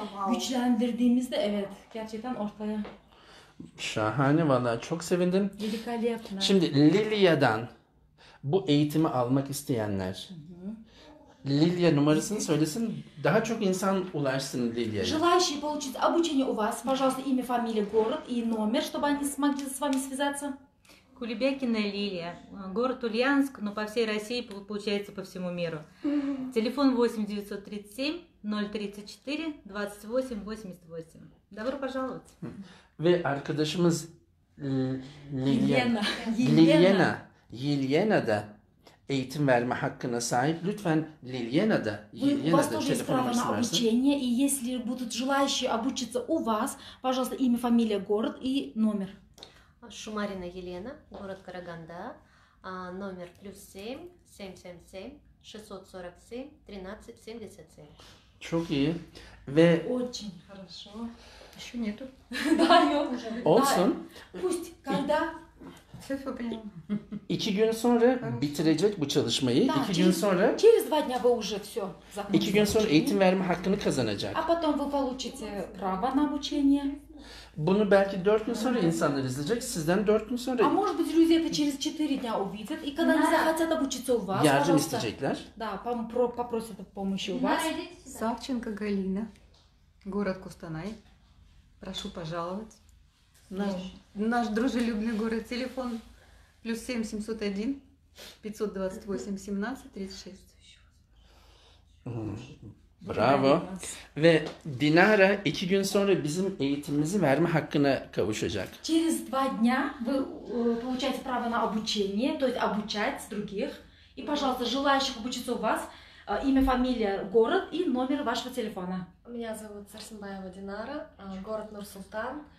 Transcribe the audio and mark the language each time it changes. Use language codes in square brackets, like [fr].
[tr] güçlendirdiğimizde, evet, gerçekten ortaya. Şahane valla, çok sevindim. Delikali yaptın. Şimdi Lilia'dan bu eğitimi almak isteyenler, Lilia numarasını söylesin, daha çok insan ulaşsın Lilia'ya. [ru] Желающие получить обучение у вас, пожалуйста, имя, фамилия, город и номер, чтобы они смогли с вами связаться. Кулебякина Лилия, город Ульяновск, но по всей России, получается, по всему миру. Телефон 8-937-034-28-88. Добро пожаловать. [tr] Ve arkadaşımız Lilia. Yelena'da eğitim verme hakkına sahip. Lütfen Lilia'da telefonunuzu verin. [ru] И если будут желающие обучиться у вас, пожалуйста, имя, фамилия, город и номер. Шумарина Елена, город Караганда. Номер +7 777 647 1377. [tr] Çok iyi. Ve [ru] очень хорошо. Ещё нету. Да, [tr] yok [ru] уже. [tr] Olsun. [ru] Пусть когда [tr] İki gün sonra bitirecek bu çalışmayı. Da, İki gün sonra. [ru] Через два дня вы уже все. [tr] İki gün sonra eğitim verme hakkını kazanacak. [ru] А потом вы получите право на обучение. [tr] Bunu belki 4 gün sonra insanlar izleyecek, sizden 4 gün sonra. [ru] А может быть друзья это через 4 дня увидят и когда они захотят обучиться у вас. [tr] Yardım isteyecekler. [ru] Да, попросят помощи у вас. Савченко Галина, город Кустанай. Прошу пожаловать. Наш дружелюбный город. Телефон +7 701 528 17 36. Bravo. [tr] Ve Dinara iki gün sonra bizim eğitimimizi verme hakkına kavuşacak. [ru] Через два дня вы получаете право на обучение, то есть обучать других. И, пожалуйста, желающих обучиться у вас, имя, фамилия, город и номер вашего телефона. Меня зовут Сарсенбаева Динара, город Нур-Султан.